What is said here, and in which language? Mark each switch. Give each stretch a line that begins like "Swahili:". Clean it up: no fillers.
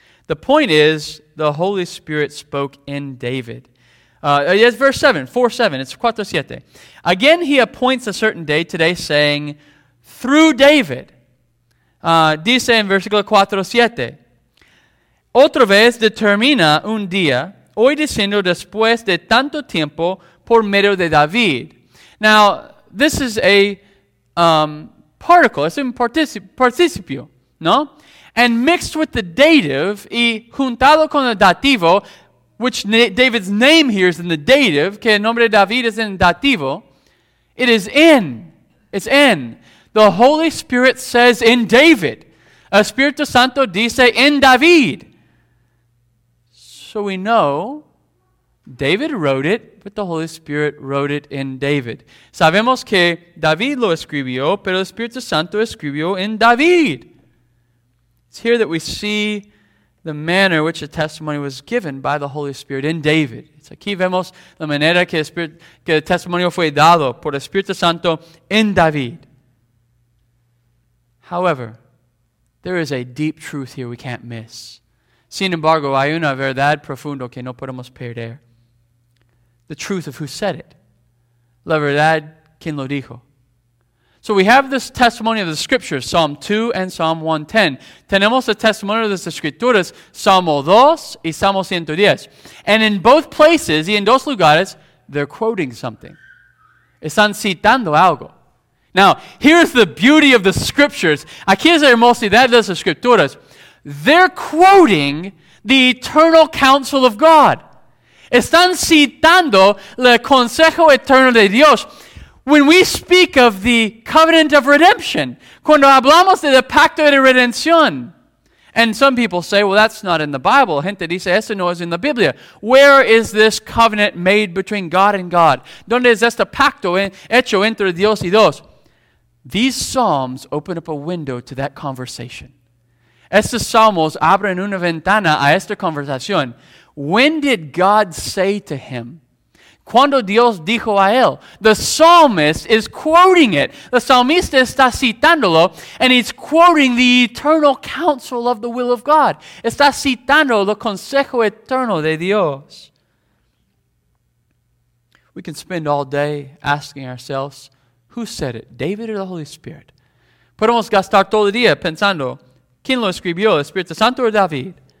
English: The point is, the Holy Spirit spoke in David. Yes, verse 7. 4:7. It's 4:7. Again, he appoints a certain day today, saying, through David.
Spanish: Dice en versículo 4:7. Otra vez determina un día. Hoy diciendo después de tanto tiempo por medio de David.
English: Now, this is a particle. It's a participio, ¿no? And mixed with the dative
Spanish: y juntado con el dativo,
English: which David's name here is in the dative,
Spanish: que el nombre de David es en dativo,
English: it is in. It's in. The Holy Spirit says in David.
Spanish: Espíritu Santo dice en David.
English: So we know David wrote it, but the Holy Spirit wrote it in David.
Spanish: Sabemos que David lo escribió, pero el Espíritu Santo escribió en David.
English: It's here that we see the manner in which the testimony was given by the Holy Spirit in David.
Spanish: It's aquí vemos la manera que el testimonio fue dado por el Espíritu Santo en David.
English: However, there is a deep truth here we can't miss.
Spanish: Sin embargo, hay una verdad profunda que no podemos perder.
English: The truth of who said it.
Spanish: La verdad, quien lo dijo.
English: So we have this testimony of the scriptures, Psalm 2 and Psalm 110.
Spanish: Tenemos el testimonio de las escrituras, Salmo 2 y Salmo 110.
English: And in both places,
Spanish: y en dos lugares,
English: they're quoting something.
Spanish: Están citando algo.
English: Now, here's the beauty of the scriptures.
Spanish: Aquí es la hermosidad de las escrituras.
English: They're quoting the eternal counsel of God.
Spanish: Están citando el consejo eterno de Dios.
English: When we speak of the covenant of redemption,
Spanish: cuando hablamos de el pacto de redención,
English: and some people say, well, that's not in the Bible.
Spanish: Gente dice, eso no es en la Biblia.
English: Where is this covenant made between God and God?
Spanish: ¿Dónde es este pacto hecho entre Dios y Dios?
English: These psalms open up a window to that conversation.
Spanish: Estos salmos abren una ventana a esta conversación.
English: When did God say to him?
Spanish: ¿Cuándo Dios dijo a él?
English: The psalmist is quoting it. The psalmista
Spanish: está citándolo,
English: and he's quoting the eternal counsel of the will of God.
Spanish: Está citando el consejo eterno de Dios.
English: We can spend all day asking ourselves, who said it, David or the Holy Spirit?
Spanish: Podemos gastar todo el día pensando, ¿quién lo escribió, el Espíritu Santo o David?